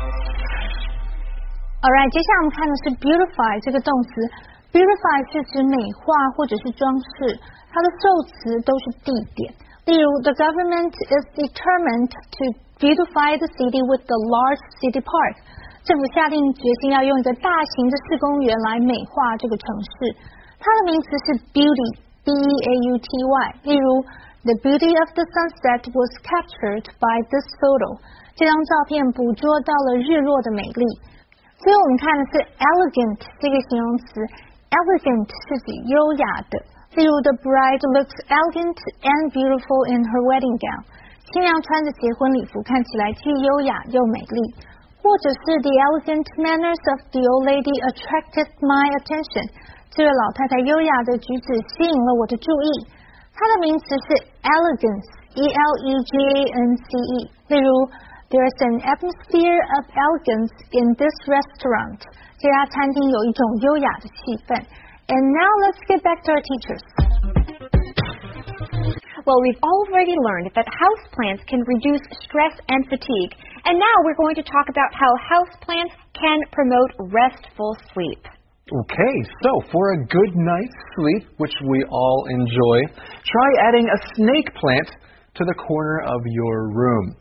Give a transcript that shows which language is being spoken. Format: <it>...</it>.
<en>All right,</en> <zh>接下来我们看的是 beautify 这个动词。 Beautify 是指美化或者是装饰，它的受词都是地点。</zh> <en>例如 ，The government is determined to beautify the city with the large city park.</en> <zh>政府下定决心要用一个大型的市公园来美化这个城市。它的名词是 beauty, B-E-A-U-T-Y.</zh> <en>例如 ，The beauty of the sunset was captured by this photo.</en> <zh>这张照片捕捉到了日落的美丽。所以我们看的是 elegant 这个形容词。Elegant 是指优雅的。</zh> <en>例如 ，The bride looks elegant and beautiful in her wedding gown.</en> <zh>新娘穿着结婚礼服，看起来既优雅又美丽。</zh> <en>或者是 ，The elegant manners of the old lady attracted my attention.</en> <zh>这位老太太优雅的举止吸引了我的注意。它的名词是 elegance, E-L-E-G-A-N-C-E. 例如</zh> <en>There is an atmosphere of elegance in this restaurant.</en> <zh>这家餐厅有一种优雅的气氛。</zh> <en>And now let's get back to our teachers. Well, we've already learned that houseplants can reduce stress and fatigue. And now we're going to talk about how houseplants can promote restful sleep. Okay, so for a good night's sleep, which we all enjoy, try adding a snake plant to the corner of your room.</en>